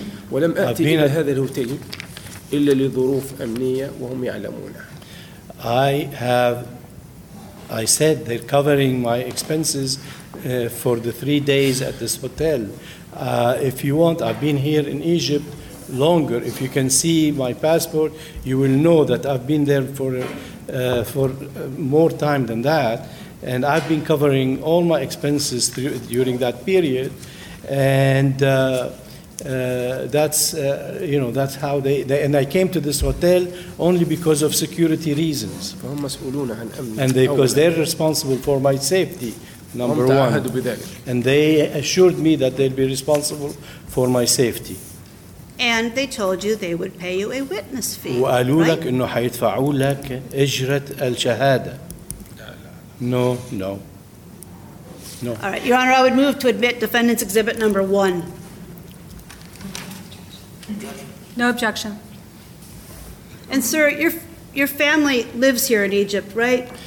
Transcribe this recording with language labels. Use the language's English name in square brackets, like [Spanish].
[Arabic] ولم أأتي إلى هذا الهوتيل إلا لظروف أمنية وهم يعلمونها. [English] I said they're covering my expenses for the 3 days at this hotel. If you want, I've been here in Egypt longer. If you can see my passport, you will know that I've been there for more time than that. And I've been covering all my expenses during that period. And that's how they and I came to this hotel only because of security reasons. And because they're responsible for my safety. number one. And they assured me that they'd be responsible for my safety. And they told you they would pay you a witness fee. [Arabic] وقالوا لك إنه حيدفعوا لك أجرة الشهادة. [English] No, no. No. All right, Your Honor, I would move to admit defendant's exhibit number one. No objection. And sir, your family lives here in Egypt, right?